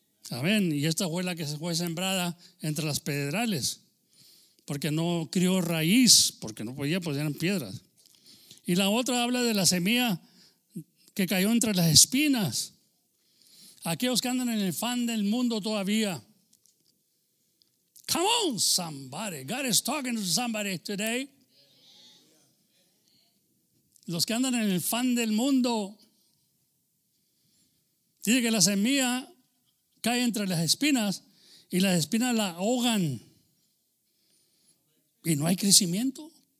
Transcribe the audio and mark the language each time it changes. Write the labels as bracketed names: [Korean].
[Spanish] Amén. Y esta fue la que se fue sembrada entre las pedrales, porque no crió raíz, porque no podía, pues eran piedras. Y la otra habla de la semilla que cayó entre las espinas. Aquellos que andan en el fan del mundo todavía. [English] Come on, somebody. God is talking to somebody today. [Spanish] Los que andan en el fan del mundo. Dice que la semilla cae entre las espinas y las espinas la ahogan. Y no hay crecimiento.